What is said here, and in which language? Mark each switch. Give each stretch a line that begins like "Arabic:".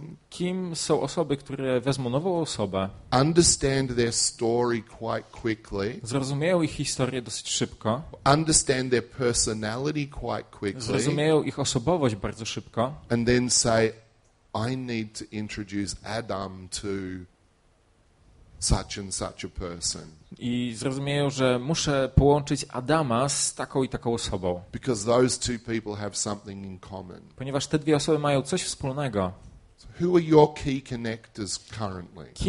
Polish: Kim są osoby, które wezmą nową osobę?
English: Understand their story quite quickly.
Polish: Zrozumieją ich historię dosyć szybko.
English: Understand their personality quite quickly.
Polish: Zrozumieją ich osobowość bardzo szybko.
English: And then say, I need to introduce Adam to such and such a person.
Polish: I zrozumieją, że muszę połączyć Adama z taką i taką osobą.
English: Because those two people have something in common.
Polish: Ponieważ te dwie osoby mają coś wspólnego.
English: So who are your key connectors currently?